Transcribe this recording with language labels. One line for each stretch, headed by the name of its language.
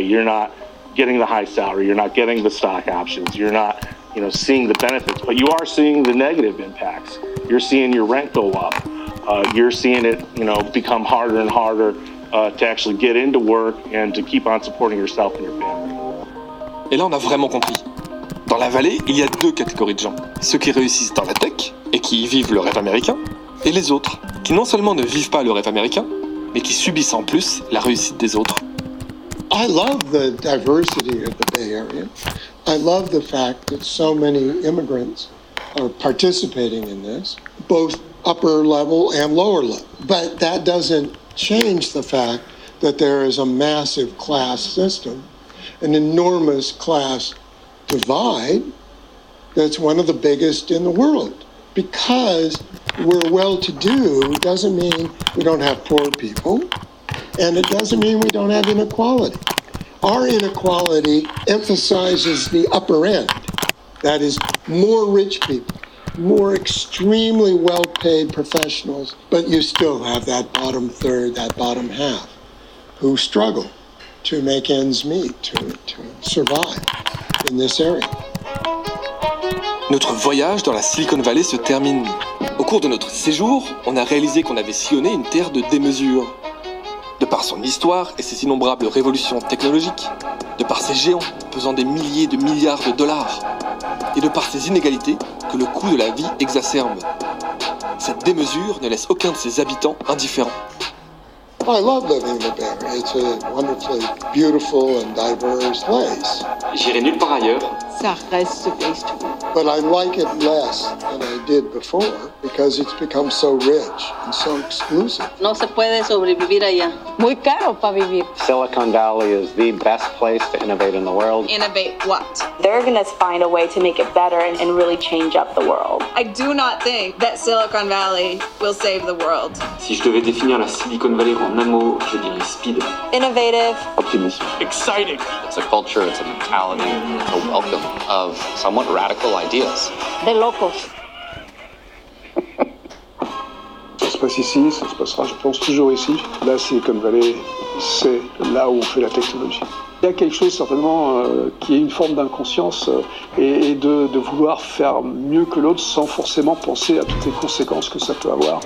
English: You're not getting the high salary, you're not getting the stock options, you're not, you know, seeing the benefits, but you are seeing the negative impacts. You're seeing your rent go up. You're seeing it, you know, become harder and harder to actually get into work and to keep on supporting yourself and your family.
French: Et là, on a vraiment compris. Dans la vallée, il y a 2 catégories de gens. Ceux qui réussissent dans la tech et qui y vivent le rêve américain. Et les autres, qui non seulement ne vivent pas le rêve américain, mais qui subissent en plus la réussite des autres.
English: I love the diversity of the Bay Area. I love the fact that so many immigrants are participating in this, both upper level and lower level. But that doesn't change the fact that there is a massive class system, an enormous class divide that's one of the biggest in the world. Because we're well-to-do doesn't mean we don't have poor people, and it doesn't mean we don't have inequality. Our inequality emphasizes the upper end, that is, more rich people, more extremely well-paid professionals, but you still have that bottom third, that bottom half, who struggle to make ends meet, to survive in this area.
French: Notre voyage dans la Silicon Valley se termine. Au cours de notre séjour, on a réalisé qu'on avait sillonné une terre de démesure. De par son histoire et ses innombrables révolutions technologiques, de par ses géants pesant des milliers de milliards de dollars, et de par ses inégalités que le coût de la vie exacerbe. Cette démesure ne laisse aucun de ses habitants indifférent.
English: I love living in the Bay Area. It's a wonderfully beautiful and diverse place.
French: J'irai nulle part ailleurs. ça reste
English: the place to be. But I like it less than I did before because it's become so rich and so exclusive.
Spanish: No se puede sobrevivir allá. Muy caro para vivir.
English: Silicon Valley is the best place to innovate in the world. Innovate what? They're going to find a way to make it better and really change up the world. I do not think that Silicon Valley will save the world.
French: Si je devais définir la Silicon Valley en un mot, je dirais speed.
English: Innovative. Optimism. Exciting. It's a culture, it's a mentality, it's a welcome of somewhat radical ideas.
Spanish: De locos.
French: Ça se passe ici, ça se passera, je pense, toujours ici. La Silicon Valley, c'est là où on fait la technologie. Il y a quelque chose certainement qui est une forme d'inconscience et de vouloir faire mieux que l'autre sans forcément penser à toutes les conséquences que ça peut avoir.